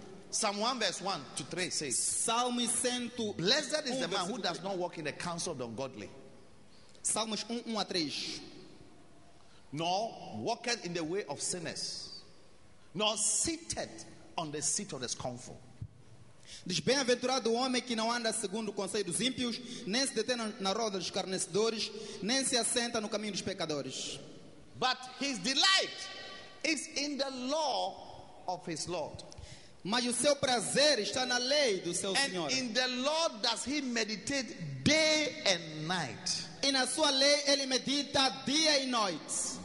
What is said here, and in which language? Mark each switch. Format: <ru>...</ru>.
<en>Psalm 1 verse 1 to 3 says,</en> <pt>Salmo 100,</pt> <en>blessed is the man who does not walk in the counsel of the ungodly.</en> <pt>Salmos 1 a 3.</pt> <en>Nor walketh in the way of sinners, nor seated on the seat of the scornful.</en> <pt>Diz: bem-aventurado o homem que não anda segundo o conselho dos ímpios, nem se detém na roda dos escarnecedores, nem se assenta no caminho dos pecadores.</pt> <en>But his delight is in the law of his Lord.</en> <pt>Mas o seu prazer está na lei do seu Senhor.</pt> <en>And in the law does he meditate day and night.</en> <pt>E na sua lei ele medita dia e noite.</pt>